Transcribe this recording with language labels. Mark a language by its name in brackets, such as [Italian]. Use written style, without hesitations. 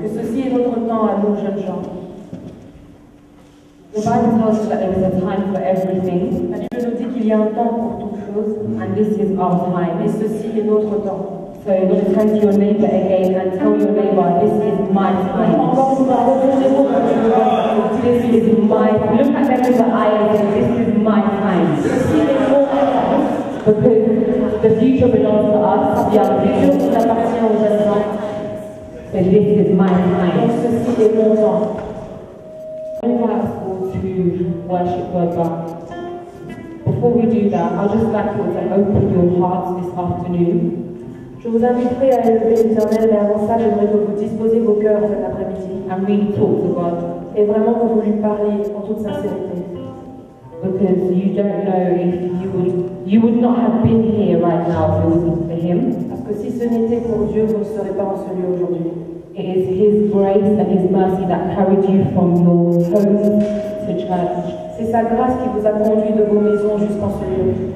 [French] que ceci est notre temps à nous jeunes gens. [English] The Bible tells us that there is a time for everything. [French] La Bible nous dit qu'il y a un temps pour toute chose. [English] And this is our time. [French] Et ceci est notre temps. [English] So you're going to turn to your neighbor again and tell your neighbor, this is my time. This is my time. Look at them in the eye and say, this is my time. Because the future belongs to us, the future [French] nous appartient aux jeunes gens. [English] And this is my time. [French] Ceci est mon temps. [English] When we go to worship God, before we do that, I'd just like to open your hearts this afternoon. [French] Je vous inviterai à élever l'Éternel, mais avant ça, j'aimerais que vous disposiez vos cœurs cet après-midi. [English] And really talk to God. [French] Et vraiment que vous lui parliez en toute sincérité. [English] Because you don't know if you would not have been here right now if it wasn't for him. [French] Parce que si ce n'était pour Dieu, vous ne serez pas en ce lieu aujourd'hui. [English] It is his grace and his mercy that carried you from your home to church. [French] C'est sa grâce qui vous a conduit de vos maisons jusqu'en ce lieu.